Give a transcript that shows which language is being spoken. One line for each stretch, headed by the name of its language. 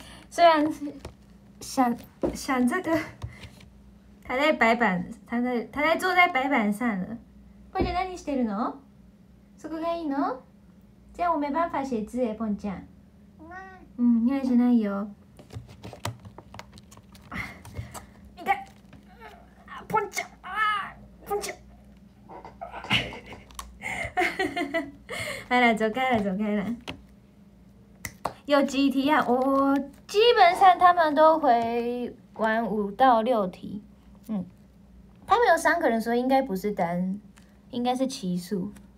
Chinese: 虽然想这个，他在坐在白板上了。
Japanese: ポンちゃん何してるの？そこがいいの？
Chinese: 这样我没办法写字耶，ポンちゃん。嗯，你还写奶油？你看，啊，ポンちゃん，啊，ポンちゃん。哈哈哈哈哈！来了，走开了。有几题啊？我基本上他们都回完五到六题，嗯，他们有三个人，所以应该不是单，应该是奇数。